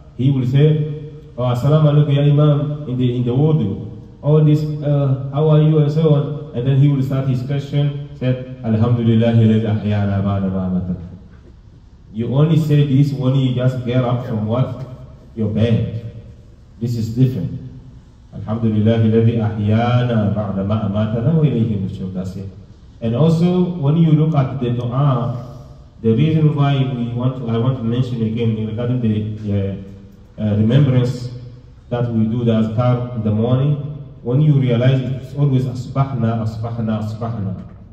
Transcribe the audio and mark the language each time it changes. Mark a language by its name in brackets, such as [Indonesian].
[English] He will say, oh, Assalamu alaikum, ya Imam, in the wudu. All this, how are you, and so on. And then he will start his question, said, Alhamdulillah, [Arabic] he led ahyana ba'da ma'amata. [English] You only say this when you just get up from what? Your bed. This is different. [Arabic] Alhamdulillah, الذي أحيانا بعد ما أماتنا وإليه النشور. [English] That's it. And also, when you look at the dua, the reason why I want to mention again regarding the remembrance that we do the azkar in the morning, when you realize it's always asbahna, asbahna, asbahna.